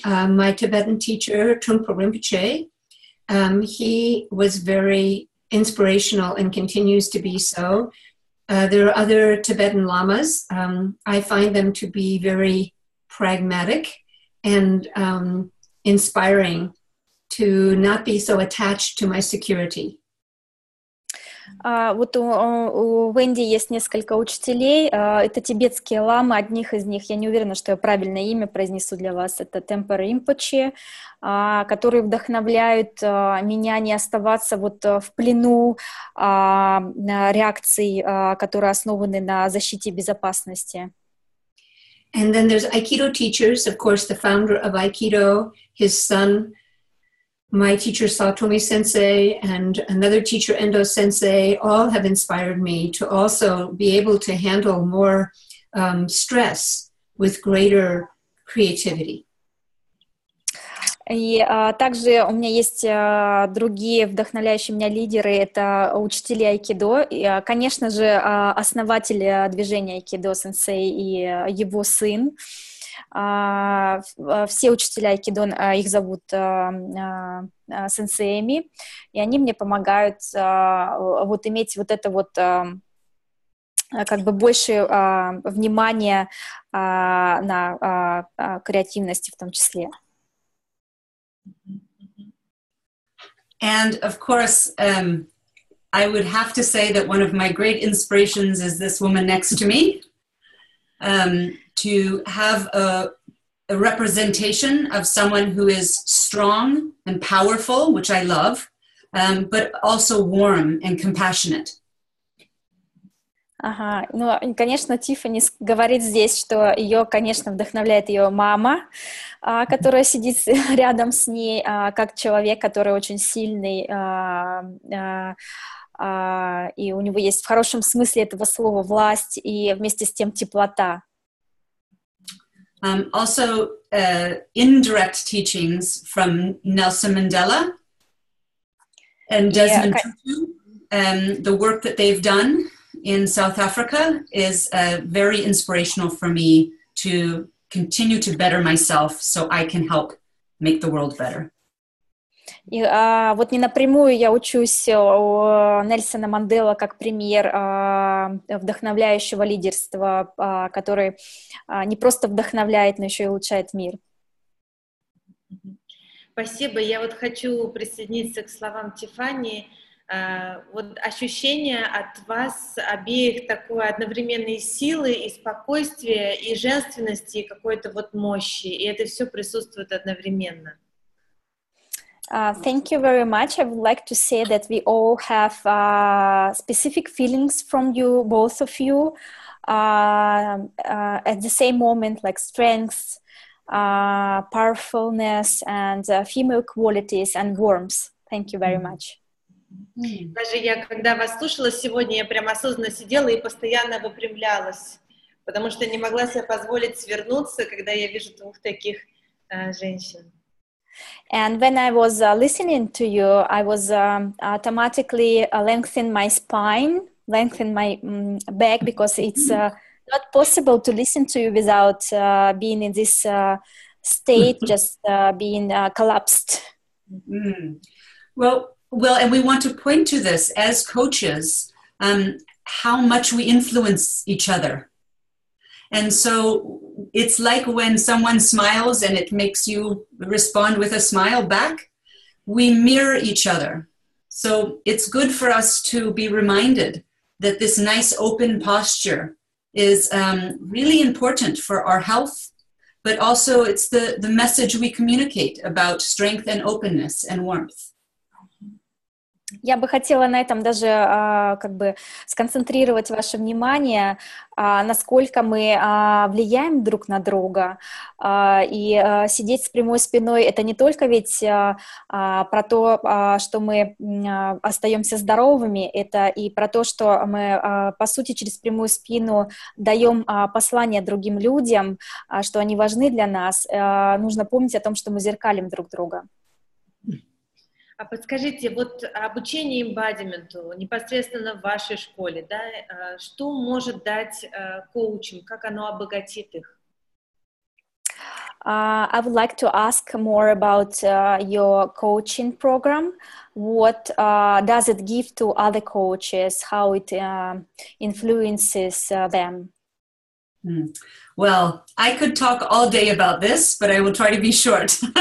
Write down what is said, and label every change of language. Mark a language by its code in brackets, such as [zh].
[en] My Tibetan teacher, Trungpa Rinpoche, he was very inspirational and continues to be so. There are other Tibetan lamas. I find them to be very pragmatic and inspiring to not be so attached to my security. [ru] Вот у Венди есть несколько учителей. Это тибетские ламы. Одних из них, я не уверена, что я правильное имя произнесу для вас, это Темпа Ринпоче, которые вдохновляют меня не оставаться вот в плену реакций, которые основаны на защите и безопасности. [en] And then there's Aikido teachers, of course, the founder of Aikido, his son, my teacher Satomi Sensei, and another teacher Endo Sensei, all have inspired me to also be able to handle more stress with greater creativity. [ru] И также у меня есть другие вдохновляющие меня лидеры, это учители айкидо, и, конечно же, основатель движения айкидо сенсей и его сын. Все учителя айкидо, их зовут сенсеями, и они мне помогают вот иметь вот это вот как бы больше внимания на креативности в том числе. [en] And of course, I would have to say that one of my great inspirations is this woman next to me. To have a representation of someone who is strong and powerful, which I love, but also warm and compassionate. [ru] Ага, ну, конечно, Тиффани говорит здесь, что ее, конечно, вдохновляет ее мама, которая сидит рядом с ней, как человек, который очень сильный, и у него есть в хорошем смысле этого слова власть и вместе с тем теплота. [en] Also, indirect teachings from Nelson Mandela and Desmond Tutu, the work that they've done in South Africa is very inspirational for me to continue to better myself so I can help make the world better. [ru] И вот не напрямую я учусь у Нельсона Мандела как пример вдохновляющего лидерства, который не просто вдохновляет, но еще и улучшает мир. Спасибо. Я вот хочу присоединиться к словам Тиффани. Вот ощущение от вас обеих такой одновременной силы и спокойствия, и женственности, и какой-то вот мощи. И это все присутствует одновременно. [en] Thank you very much. I would like to say that we all have specific feelings from you, both of you, at the same moment, like strength, powerfulness, and female qualities and warmth. Thank you very much. [ru] Даже я, когда вас слушала сегодня, я прям осознанно сидела и постоянно выпрямлялась, потому что не могла себе позволить свернуться, когда я вижу двух таких женщин. [en] And when I was listening to you, I was automatically lengthening my spine, lengthening my back, because it's not possible to listen to you without being in this state, just being collapsed. Mm. Well, and we want to point to this as coaches, how much we influence each other. And so it's like when someone smiles and it makes you respond with a smile back, we mirror each other. So it's good for us to be reminded that this nice open posture is really important for our health, but also it's the message we communicate about strength and openness and warmth. [ru] Я бы хотела на этом даже как бы сконцентрировать ваше внимание, насколько мы влияем друг на друга, и сидеть с прямой спиной — это не только ведь про то, что мы остаемся здоровыми, это и про то, что мы, по сути, через прямую спину даем послание другим людям, что они важны для нас. Нужно помнить о том, что мы зеркалим друг друга. А подскажите, вот обучение эмбодименту непосредственно в вашей школе, да, что может дать коучинг, как оно обогатит их? [en] I would like to ask more about your coaching program. What does it give to other coaches? How it influences them? Well, I could talk all day about this, but I will try to be short.